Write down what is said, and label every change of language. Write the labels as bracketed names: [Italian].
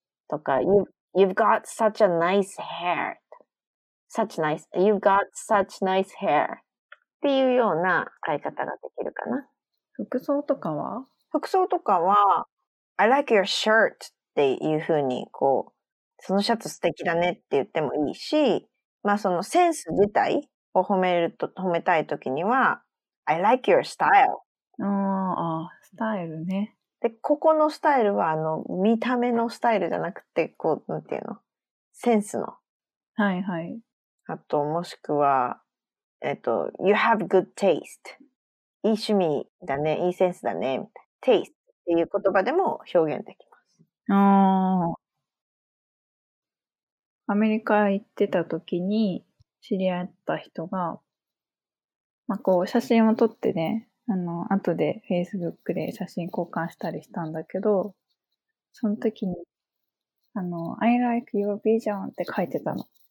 [Japanese] とか、 [English] You've got such a nice hair. Such nice, you've got such nice hair. [Japanese] っていうような使い方ができるかな。服装とかは？服装とかは、 [English] I like your shirt [Japanese] っていうふうに、こう、そのシャツ素敵だねって言ってもいいし、まあそのセンス自体、褒めたいときには [English] I like your style. [Japanese] スタイルね。で、ここのスタイルは見た目のスタイルじゃなくて、こう、なんていうの？センスの。はいはい。あと、もしくは、 [English] You have good taste. [Japanese] いい趣味だね、いいセンスだね、みたいな。taste っていう言葉でも表現できます。アメリカ行ってた時に知り合った人が、まあ、こう写真を撮ってね、あの後で Facebook で写真交換したりしたんだけど、その時にあの [English] I like your vision [Japanese] って書いてたの。